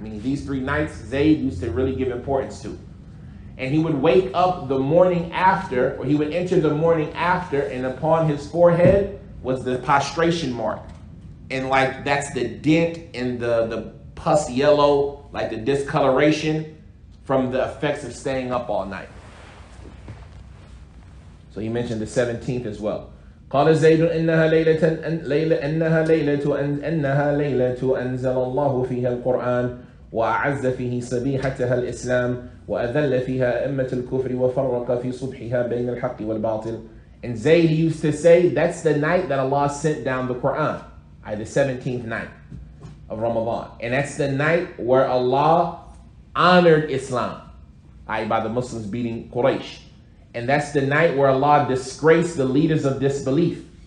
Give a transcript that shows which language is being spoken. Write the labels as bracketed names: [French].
[English] Meaning these three nights Zayd used to really give importance to. And he would wake up the morning after, or he would enter the morning after, and upon his forehead was the prostration mark. And like that's the dent and the pus yellow, like the discoloration from the effects of staying up all night. So he mentioned the 17th as well. [Arabic] قال زيد إنها ليلة ليلة إنها ليلة إنها ليلة أنزل الله فيها القرآن وأعز فيه صبيحتها الإسلام وأذل فيها أمة الكفر وفرق في صبحها بين الحق والباطل. [English] And Zayd used to say that's the night that Allah sent down the Quran. The 17th night of Ramadan. And that's the night where Allah honored Islam, by the Muslims beating Quraysh. And that's the night where Allah disgraced the leaders of disbelief.